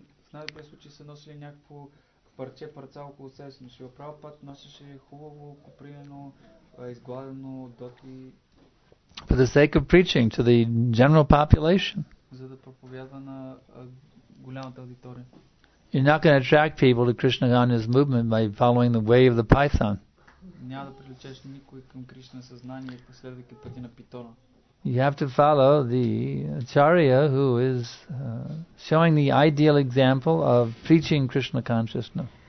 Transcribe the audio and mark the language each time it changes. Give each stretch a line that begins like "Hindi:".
Bulgarian: В най-добре случай са носили някакво парче, парца около себе си, но си оправа път, носеше хубаво, купринено, изгладено, доти.
English: For the sake of preaching to the general population.
Bulgarian: За да проповядва на голямата аудитория.
English: You're not going to attract people to Krishna Gana's movement by following the way of the python.
Bulgarian: Няма да привлечеш никой към Кришна съзнание, последвайки пътя на питона.
English: You have to follow the acharya who is showing the ideal example of preaching Krishna consciousness.